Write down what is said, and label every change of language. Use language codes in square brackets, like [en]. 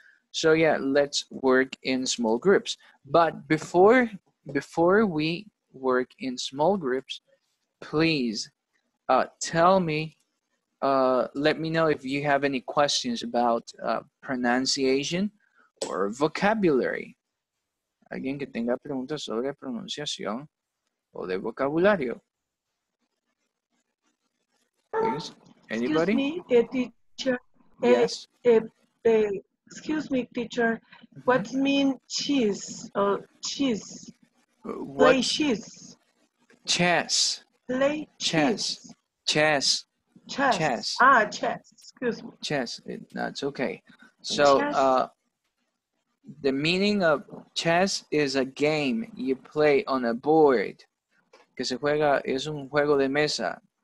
[en] So yeah, let's work in small groups. But before we work in small groups, please tell me, let me know if you have any questions about pronunciation or vocabulary. [es] Alguien que tenga preguntas sobre pronunciación o de vocabulario. [en] Please, anybody? Excuse me, teacher. Yes. Excuse me, teacher. What mean cheese? Cheese. What? Play cheese. Chess. Play chess. Chess. Chess. Chess. Ah, chess. Excuse me. Chess. That's okay. So, the meaning of chess is a game you play on a board. [es] Que se juega, es un juego de mesa.